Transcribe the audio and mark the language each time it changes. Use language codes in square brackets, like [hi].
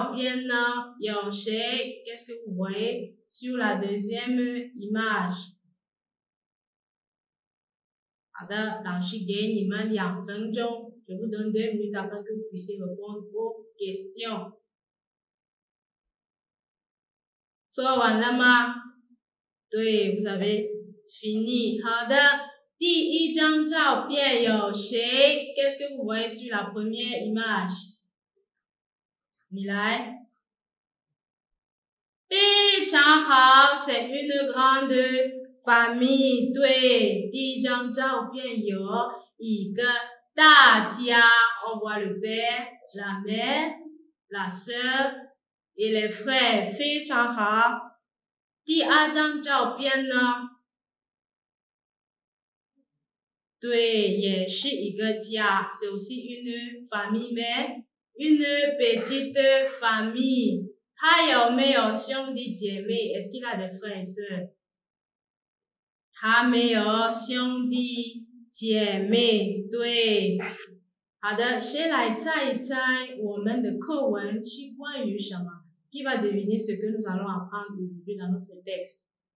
[zh] 好的。第二张照片呢,有谁? [fr] Qu'est-ce que vous voyez sur la deuxième image? [zh] 好的,老师给你们两分钟。 [fr] Je vous donne 2 minutes afin que vous puissiez répondre aux questions. Soit [zh] 完了吗?对, [fr] vous avez fini. [zh] 好的,第一张照片有谁? [fr] Qu'est-ce que vous voyez sur la première image? [zh] 你来? 非常好, [fr] c'est une grande famille. [zh] 对, 第一张照片有一个 大家, [fr] on voit le père, la mère, la sœur et les frères. [zh] 非常好.第二张照片呢? 对,也是一个家, [fr] c'est aussi une famille, mais une petite famille. [zh] 他有没有兄弟姐妹? [fr] Est-ce qu'il a des frères et sœurs? [zh] 他没有兄弟. 姐妹,对。好的,谁来猜一猜我们的课文是关于什么? [fr] Qui va deviner ce que nous allons apprendre aujourd'hui dans notre texte?